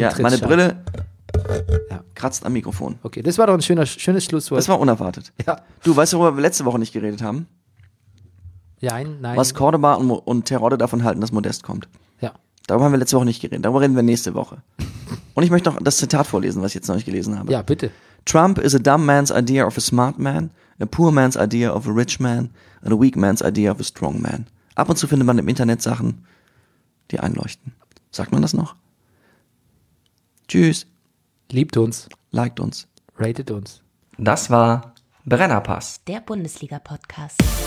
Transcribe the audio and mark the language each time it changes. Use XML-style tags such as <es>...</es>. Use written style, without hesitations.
<de>Ja, meine Brille kratzt am Mikrofon. Okay, das war doch ein schönes Schlusswort. Das war unerwartet. Ja. Du, weißt du, worüber wir letzte Woche nicht geredet haben? Nein. Was Cordoba und Terodde davon halten, dass Modest kommt. Ja. Darüber haben wir letzte Woche nicht geredet. Darüber reden wir nächste Woche. Und ich möchte noch das Zitat vorlesen, was ich jetzt noch nicht gelesen habe. Ja, bitte.</de> <en>Trump is a dumb man's idea of a smart man, a poor man's idea of a rich man, and a weak man's idea of a strong man.</en> <de>Ab und zu findet man im Internet Sachen, die einleuchten. Sagt man das noch? Tschüss. Liebt uns. Liked uns. Rated uns. Das war Brennerpass. Der Bundesliga-Podcast.</de>